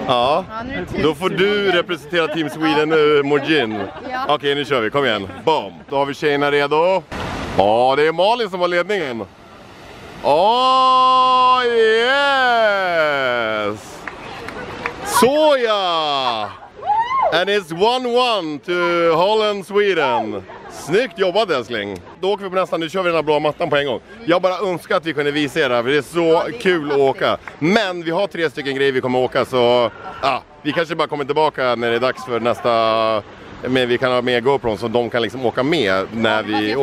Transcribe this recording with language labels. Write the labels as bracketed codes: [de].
[sv] Ja. Då får du representera Team Sweden nu, Morgin. Ja. Okej, nu kör vi. Kom igen. Bam. Då har vi tjejerna redo. Ja, det är Malin som har ledningen. Åh, yeah! Soja! [en] And it's 1-1 to Holland, Sweden. [sv] Snyggt jobbat, älskling. Då åker vi på nästa, nu kör vi den här blå mattan på en gång. Jag bara önskar att vi kunde visa er, för det är så kul att åka. Men vi har 3 stycken grejer vi kommer åka, så ja, vi kanske bara kommer tillbaka när det är dags för nästa. Men vi kan ha med GoPro så de kan liksom åka med när vi åker.